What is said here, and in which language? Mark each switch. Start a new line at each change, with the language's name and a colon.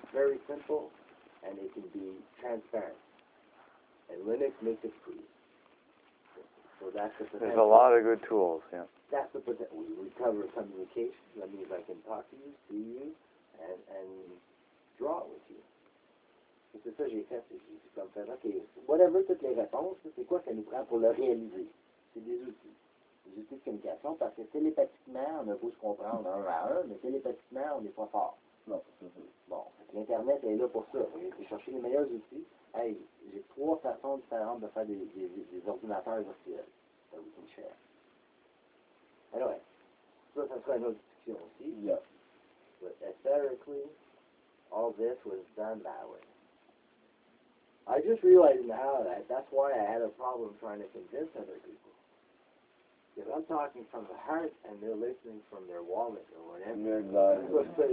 English: Very simple, and it can be transparent. And Linux makes it free. So that's the potential. There's a lot of good tools, yeah. That's the potential. We cover communication. That means I can talk to you, see you, and draw with you.
French: C'est ça, j'ai fait. J'ai fait comme ça. OK, whatever toutes les réponses, c'est quoi ça nous prend pour le réaliser? C'est des outils. Des outils de communication, parce que télépathiquement, on a beau se comprendre un à un, mais télépathiquement, on n'est pas fort. Non. Bon, l'Internet est là pour ça. J'ai cherché les meilleurs outils. Hey, j'ai trois façons différentes de faire des ordinateurs virtuels. Ça vous coûte cher. Anyway, ça sera une autre discussion aussi.
English: Yeah. But aesthetically, all this was done that way. I just realized now that that's why I had a problem trying to convince other people. If I'm talking from the heart and they're listening from their wallet or whatever. Exactly.